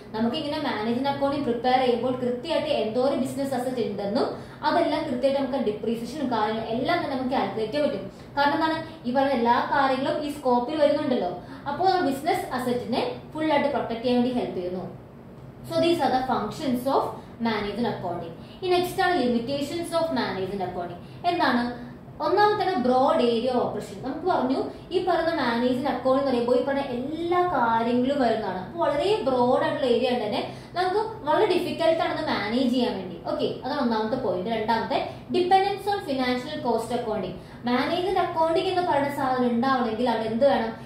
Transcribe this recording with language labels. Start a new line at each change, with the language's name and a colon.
Malayalam: നമുക്കിങ്ങനെ managing accounting prepare ചെയ്യുമ്പോൾ കൃത്യമായിട്ട് എന്തോരം ബിസിനസ് അസറ്റ് ഉണ്ടെന്നും അതെല്ലാം കൃത്യമായിട്ട് നമുക്ക് ഡിപ്രീസിയേഷനും കാര്യങ്ങളും എല്ലാം തന്നെ നമുക്ക് കാൽക്കുലേറ്റ് ചെയ്യാൻ പറ്റും. കാരണം എന്താണ്, ഈ പറഞ്ഞ എല്ലാ കാര്യങ്ങളും ഈ സ്കോപ്പിൽ വരുന്നുണ്ടല്ലോ. അപ്പോൾ നമ്മുടെ ബിസിനസ് അസറ്റിനെ ഫുൾ ആയിട്ട് പ്രൊട്ടക്ട് ചെയ്യാൻ വേണ്ടി ഹെൽപ്പ് ചെയ്യുന്നു.
English: So these are the functions of management accounting. In next are limitations of management accounting.
Malayalam: എന്താണ്? ഒന്നാമത്തെ ബ്രോഡ് ഏരിയ ഓഫ് ഓപ്പറേഷൻ. നമുക്ക് പറഞ്ഞു ഈ പറയുന്ന മാനേജിങ് അക്കൗണ്ടിങ് എന്ന് പറയുമ്പോൾ ഈ പറഞ്ഞ എല്ലാ കാര്യങ്ങളും വരുന്നതാണ്. അപ്പോൾ വളരെ ബ്രോഡായിട്ടുള്ള ഏരിയ ഉണ്ട്, തന്നെ നമുക്ക് വളരെ ഡിഫിക്കൽട്ട് ആണെന്ന് മാനേജ് ചെയ്യാൻ വേണ്ടി. ഓക്കെ, അതാണ് ഒന്നാമത്തെ പോയിന്റ്. രണ്ടാമത്തെ, dependence on financial cost accounting managing accounting എന്ന് പറയുന്ന സാധനം ഉണ്ടാവണമെങ്കിൽ അവിടെ എന്ത് വേണം?